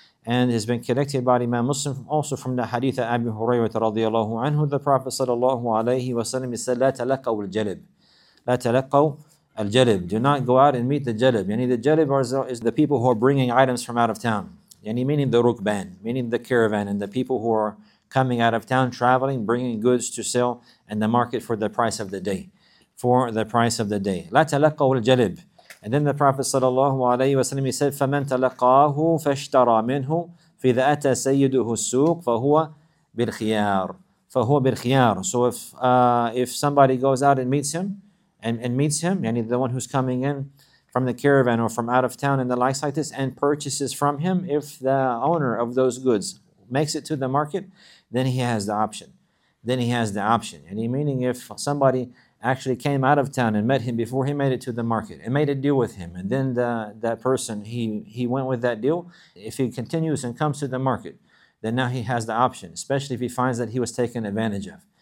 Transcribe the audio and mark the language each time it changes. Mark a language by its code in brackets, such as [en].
[en] And has been connected by Imam Muslim also from the hadith of Abu Hurairah radiallahu anhu, the Prophet sallallahu alayhi wa sallam said, [ar] لا تلقوا الجلب. لا تلقوا [en] Al-Jalib. Do not go out and meet the Jalib. Yani the Jalib is the people who are bringing items from out of town. Yani meaning the Rukban, meaning the caravan and the people who are coming out of town, traveling, bringing goods to sell and the market for the price of the day. For the price of the day. [ar] لا تلقوا الجلب. [en] And then the Prophet sallallahu alayhi wa sallam, he said, [ar] فَمَنْ تَلَقَاهُ فَاشْتَرَى مِنْهُ فِذَا أَتَى سَيِّدُهُ السُّوقُ فَهُوَ بِالْخِيَارُ فَهُوَ بِالْخِيَارُ. [en] So if somebody goes out and meets him, and meets him, yani the one who's coming in from the caravan or from out of town and the likes like this, and purchases from him, if the owner of those goods makes it to the market, then he has the option. Then he has the option. And meaning if somebody actually came out of town and met him before he made it to the market and made a deal with him, and then that person, he went with that deal, if he continues and comes to the market, then now he has the option, especially if he finds that he was taken advantage of.